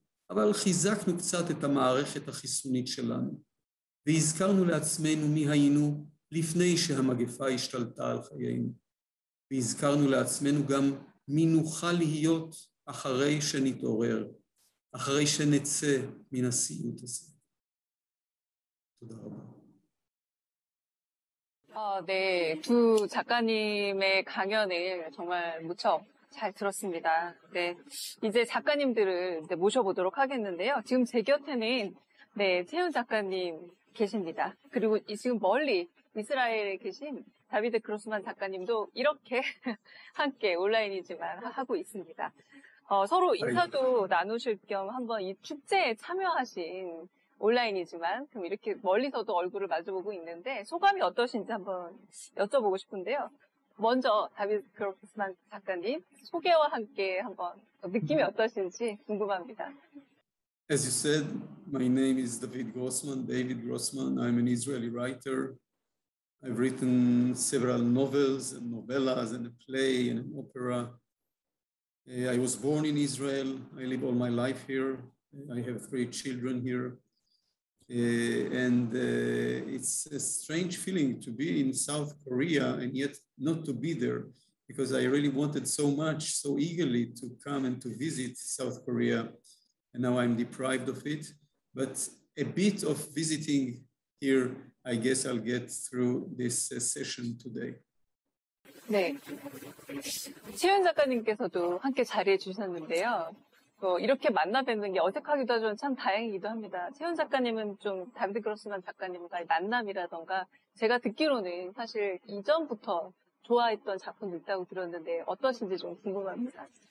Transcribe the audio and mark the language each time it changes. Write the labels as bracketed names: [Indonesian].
[Hebrew] אבל חיזקנו קצת את המערכת החיסונית שלנו, והזכרנו לעצמנו מי היינו לפני שהמגפה השתלטה על חיינו. והזכרנו לעצמנו גם מי נוכל להיות אחרי שנתעורר, אחרי שנצא מן הסיוט הזה. תודה רבה. [Korean] 네, 두 작가님의 강연을 정말 무척 잘 들었습니다. 네, 이제 작가님들을 이제 모셔보도록 하겠는데요. 지금 제 곁에는 네, 채윤 작가님 계십니다. 그리고 지금 멀리 이스라엘에 계신 다비드 그로스만 작가님도 이렇게 함께 온라인이지만 하고 있습니다. 서로 인사도 나누실 겸 한번 이 축제에 참여하신 온라인이지만 그럼 이렇게 멀리서도 얼굴을 마주보고 있는데 소감이 어떠신지 한번 여쭤보고 싶은데요. 먼저 다비드 그로스만 작가님 소개와 함께 한번 느낌이 어떠신지 궁금합니다. [English] As you said, my name is David Grossman. David Grossman. I'm an Israeli writer. I've written several novels and novellas and a play and an opera. I was born in Israel. I live all my life here. I have 3 children here. It's a strange feeling to be in South Korea and yet not to be there, because I really wanted so much, so eagerly to come and to visit South Korea and now I'm deprived of it. But a bit of visiting here, I guess I'll get through this session today. [Korean] 네, 시윤 작가님께서도 함께 자리해 주셨는데요. 이렇게 만나 뵙는 게 어색하기도 하지만 참 다행이기도 합니다. 세훈 작가님은 좀 담대그렇지만 작가님과의 만남이라던가 제가 듣기로는 사실 이전부터 좋아했던 작품이 있다고 들었는데 어떠신지 좀 궁금합니다.